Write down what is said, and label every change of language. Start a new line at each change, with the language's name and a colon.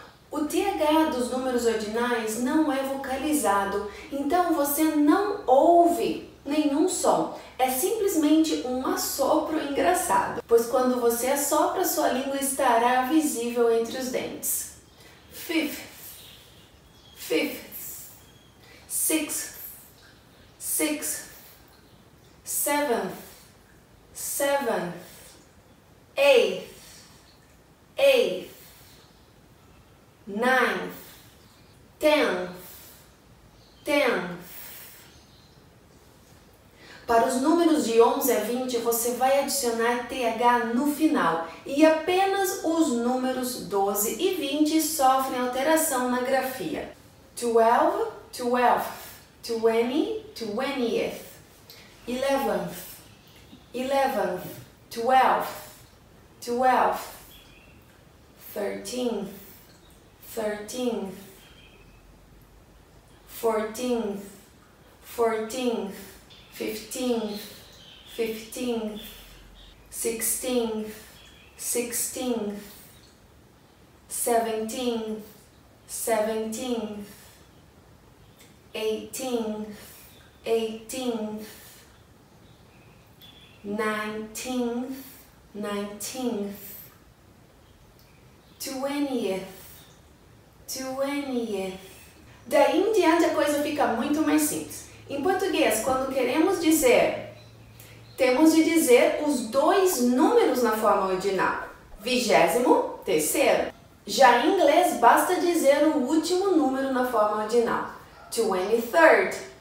Portuguese: O TH dos números ordinais não é vocalizado, então você não ouve nenhum som, é simplesmente um assopro engraçado, pois quando você assopra, sua língua estará visível entre os dentes.
English: Fifth, fifth, sixth, sixth, seventh, seventh, eighth, eighth, ninth, tenth, tenth.
Portuguese: Para os números de 11 a 20, você vai adicionar TH no final e apenas os números 12 e 20 sofrem alteração na grafia.
English: 12, 12, 20, 20th, 11th, 11th, 12th, 12th, 13th, 13th, 14th, 14th. 15th, 15th, 16th, 16th, 17th, 17th, 18th, 18th, 19th, 19th, 20th, 20th.
Portuguese: Daí em diante a coisa fica muito mais simples. Em português, quando queremos dizer, temos de dizer os dois números na forma ordinal, vigésimo, terceiro. Já em inglês, basta dizer o último número na forma ordinal, 23rd.